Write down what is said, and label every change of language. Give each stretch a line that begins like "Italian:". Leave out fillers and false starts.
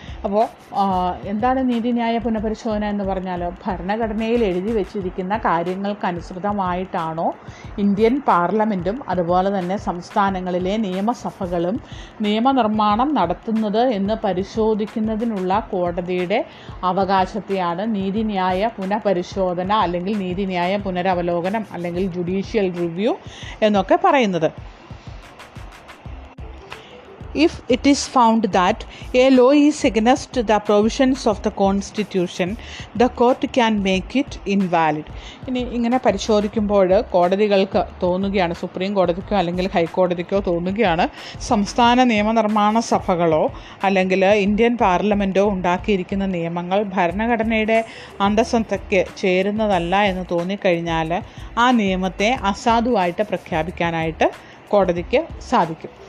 Malayalam: അപ്പോൾ എന്താണ് നീതിന്യായ പുനഃപരിശോധന എന്ന് പറഞ്ഞാൽ, ഭരണഘടനയിൽ എഴുതി വെച്ചിരിക്കുന്ന കാര്യങ്ങൾക്കനുസൃതമായിട്ടാണോ ഇന്ത്യൻ പാർലമെൻറ്റും അതുപോലെ തന്നെ സംസ്ഥാനങ്ങളിലെ നിയമസഭകളും നിയമനിർമ്മാണം നടത്തുന്നത് എന്ന് പരിശോധിക്കുന്നതിനുള്ള കോടതിയുടെ അവകാശത്തെയാണ് നീതിന്യായ പുനഃപരിശോധന അല്ലെങ്കിൽ നീതിന്യായ പുനരവലോകനം അല്ലെങ്കിൽ ജുഡീഷ്യൽ റിവ്യൂ എന്നൊക്കെ പറയുന്നത്.
English: If it is found that a law is against the provisions of the constitution, the court can make it invalid.
Malayalam: ഇനി ഇങ്ങനെ പരിശോധിക്കുമ്പോൾ കോടതികൾക്ക് തോന്നുകയാണ്, സുപ്രീം കോടതിക്കോ അല്ലെങ്കിൽ ഹൈക്കോടതിക്കോ തോന്നുകയാണ്, സംസ്ഥാന നിയമനിർമ്മാണ സഭകളോ അല്ലെങ്കിൽ ഇന്ത്യൻ പാർലമെൻറ്റോ ഉണ്ടാക്കിയിരിക്കുന്ന നിയമങ്ങൾ ഭരണഘടനയുടെ അന്തസ്സത്തേക്ക് ചേരുന്നതല്ല എന്ന് തോന്നിക്കഴിഞ്ഞാൽ ആ നിയമത്തെ അസാധുവായിട്ട് പ്രഖ്യാപിക്കാനായിട്ട് കോടതിക്ക് സാധിക്കും.